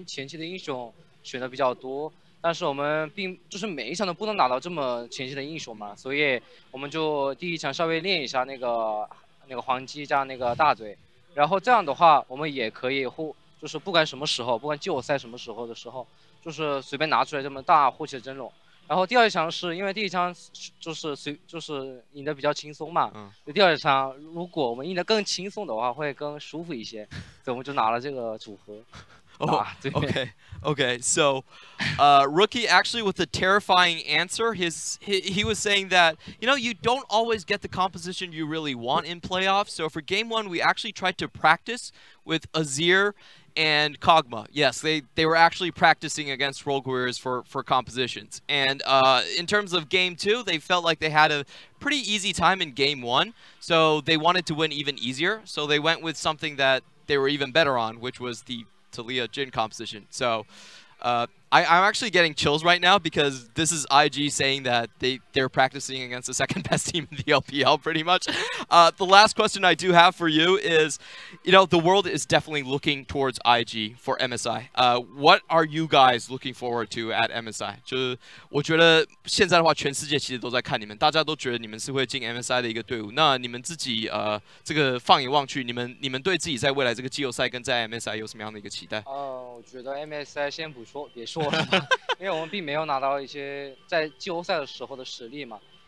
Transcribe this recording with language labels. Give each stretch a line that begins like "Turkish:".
Chinese: 组合，你可以跟我们讲一下你自己觉得IG最强的一个阵容是什么？然后你们现在是在算是在四阵容的一个时期吗？我觉得是作为一个强队来说的话，不管什么组合的，我们就一定要打到一些非常就是非常了解这个阵容的那种想法，然后一种打法嘛。所以我们就最近就是偏前期的英雄选的比较多。但是我们并就是每一场都不能拿到这么前期的英雄嘛，所以我们就第一场稍微练一下那个黄鸡加那个大嘴，然后这样的话我们也可以就是不管什么时候，不管季后赛什么时候的时候，就是随便拿出来这么大护体的阵容。然后第二场是因为第一场就是赢得比较轻松嘛，第二场如果我们赢得更轻松的话会更舒服一些，所以我们就拿了这个组合。
English: Okay, so Rookie, actually, with a terrifying answer, he was saying that, you know, you don't always get the composition you really want in playoffs. So for game one, we actually tried to practice with Azir and Kog'Maw. Yes, they were actually practicing against Rogue Warriors for compositions. And in terms of game two, they felt like they had a pretty easy time in game one. So they wanted to win even easier. So they went with something that they were even better on, which was the Taliyah Jhin composition. So I'm actually getting chills right now because this is IG saying that they're practicing against the second best team in the LPL pretty much. The last question I do have for you is, you know, the world is definitely looking towards IG for MSI. What are you guys looking forward to at MSI?
Chinese: 就是我觉得现在的话全世界其实都在看你们，大家都觉得你们是会进 MSI 的一个队伍。那你们自己这个放眼望去，你们对自己在未来这个季后赛跟在 MSI 有什么样的一个期待？我觉得 MSI 先不说，别说了。 因为我们并没有拿到一些在季后赛的时候的实力嘛，